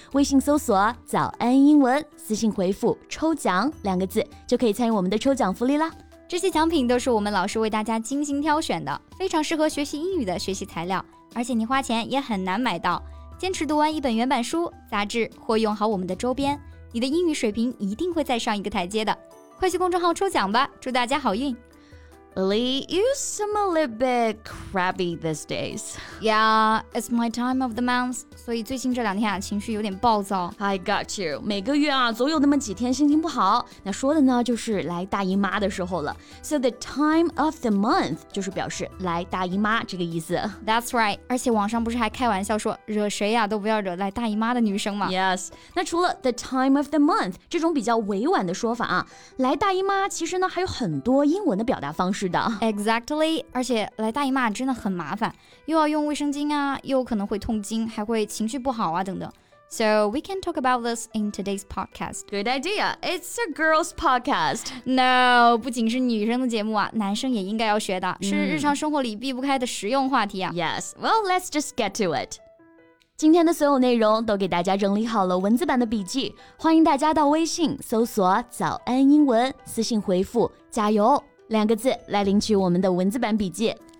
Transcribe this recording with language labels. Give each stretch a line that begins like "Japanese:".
Chinese: 微信搜索“早安英文”，私信回复“抽奖”两个字，就可以参与我们的抽奖福利啦。这些奖品都是我们老师为大家精心挑选的，非常适合学习英语的学习材料。而且你花钱也很难买到，坚持读完一本原版书、杂志或用好我们的周边，你的英语水平一定会再上一个台阶的。快去公众号抽奖吧，祝大家好运。
English: Lily, you seem a little bit crabby these days. Yeah, it's my time of the month,
Chinese: 所以最近这两天啊，情绪有点暴躁。
English: I got you.
Chinese: 每个月啊，总有那么几天心情不好，那说的呢，就是来大姨妈的时候了。
English: So the time of the month
Chinese: 就是表示来大姨妈这个意思。
English: That's right.
Chinese: 而且网上不是还开玩笑说，惹谁啊，都不要惹来大姨妈的女生吗？ Yes. 那除了
English: the time of the month
Chinese: 这种比较委婉的说法啊，来大姨妈其实呢，还有很多英文的表达方式。是的 Exactly, 而且来大姨妈真的很麻烦，又要用卫生巾啊，又可能会痛经，还会情绪不好啊等等。
English: So we can talk about this in today's podcast. Good idea. It's a girl's podcast.
Chinese: No, 不仅是女生的节目啊，男生也应该要学的，是日常生活里避不开的实用话题啊。
English: Yes, well, let's just get to it.
Chinese: 今天的所有内容都给大家整理好了文字版的笔记，欢迎大家到微信搜索早安英文，私信回复加油两个字来领取我们的文字版笔记。